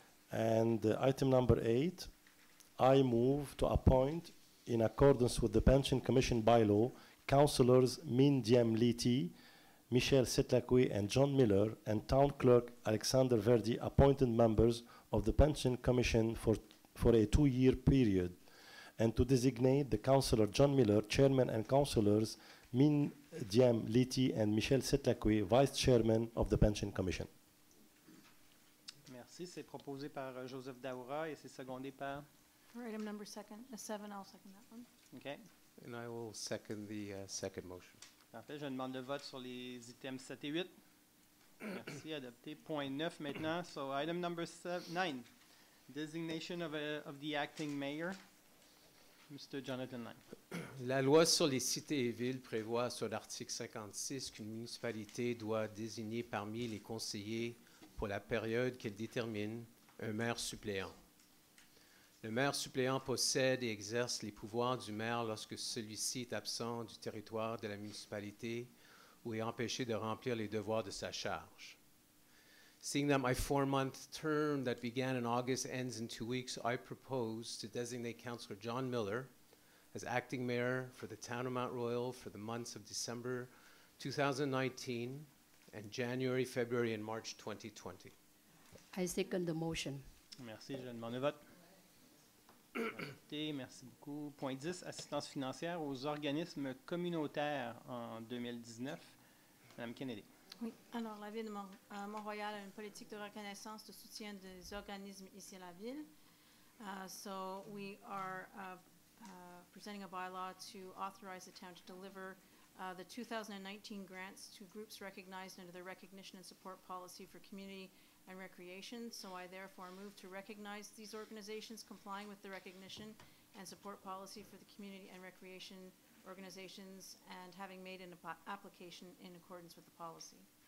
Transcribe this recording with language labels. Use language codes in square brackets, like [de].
[en] And item number 8, I move to appoint, in accordance with the Pension Commission bylaw, Councillors Min Diem Liti, Michel Setlakwe and John Miller, and Town Clerk Alexander Verdi, appointed members of the Pension Commission for a two-year period, and to designate the Councillor John Miller, Chairman, and Councillors Min Diem Liti and Michel Setlakwe, Vice Chairman of the Pension Commission. [fr] Merci. C'est proposé par Joseph Daoura et c'est secondé par. [en] For item number second, seven, I'll second that one. Okay. And I will second the second motion. [fr] Parfait. Je demande le vote sur les items 7 et 8. Merci. Adopté. Point 9 maintenant. [en] So, item number 9, designation of the acting mayor, Mr. Jonathan Lang. [fr] La loi sur les cités et villes prévoit sur l'article 56 qu'une municipalité doit désigner parmi les conseillers pour la période qu'elle détermine un maire suppléant. Le maire suppléant possède et exerce les pouvoirs du maire lorsque celui-ci est absent du territoire de la municipalité ou est empêché de remplir les devoirs de sa charge. [en] Seeing that my four-month term that began in August ends in 2 weeks, I propose to designate Councillor John Miller as acting mayor for the town of Mount Royal for the months of December 2019 and January, February, and March 2020. I second the motion. [fr] Merci. Je demande le vote. Merci beaucoup. Point 10, assistance financière aux organismes communautaires en 2019. Madame Kennedy. Oui, alors la ville de Mont-Royal a une politique de reconnaissance, de soutien des organismes ici à la ville. [en] So we are presenting a bylaw to authorize the town to deliver the 2019 grants to groups recognized under the recognition and support policy for community and recreation, so I therefore move to recognize these organizations complying with the recognition and support policy for the community and recreation organizations and having made an application in accordance with the policy.